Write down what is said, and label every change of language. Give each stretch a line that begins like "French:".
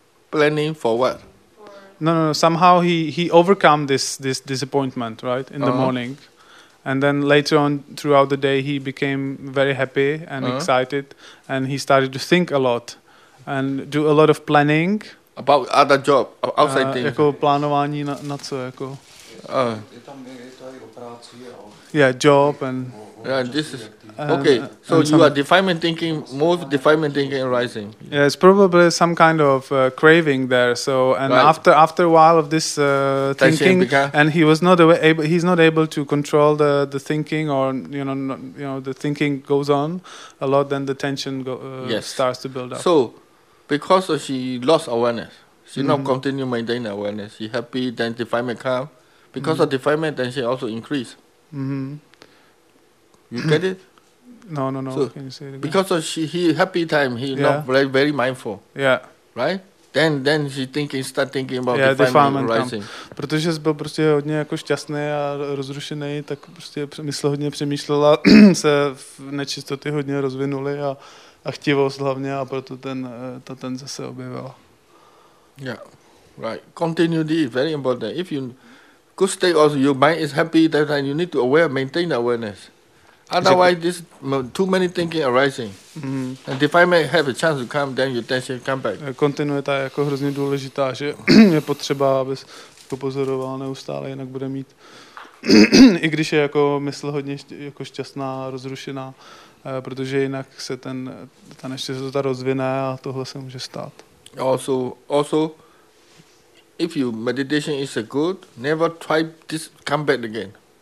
English: Planning for what? No. Somehow he overcome this disappointment, right? In the morning. And then later on, throughout the day, he became very happy and excited, and he started to think a lot, and do a lot of planning about other job, outside things.
Czech: Jako plánování na co jako. Je tam i o práci a.
English: Yeah, job and. Yeah, this is okay. So you are defilement thinking, more defilement thinking arising. Yeah, it's probably some kind of craving there. So and right. after a while of this thinking, and he was not able, he's not able to control the thinking, or you know the thinking goes on a lot. Then the tension starts to build up. So because she lost awareness, she not continue maintain awareness. She happy, then defilement come. Because of defilement, then she also increase. Mm-hmm. You get it? No. So can you say it again? Because of he happy time, he not very, very mindful. Yeah. Right? Then she thinking, start thinking about defilement rising.
Czech: Protože byl prostě hodně jako šťastný a rozrušený, tak prostě mysl hodně přemýšlela, se v nečistoty hodně rozvinuly a chtivost hlavně, a proto ten zase objevil.
English: Yeah. Right. Continuity is very important. If you good state or your mind is happy, then you need to aware, maintain awareness. Otherwise, this too many thinking arising. Mm-hmm. And if I may have a chance to come, then your attention come back.
Czech: Kontinuita je jako hrozně důležitá, že je potřeba, abys to pozoroval neustále, jinak bude mít, i když je jako mysl hodně jako šťastná, rozrušená, protože jinak se ta neštěstota rozvine a tohle se může stát.
English: Also, if your meditation is a good, never try this come back again.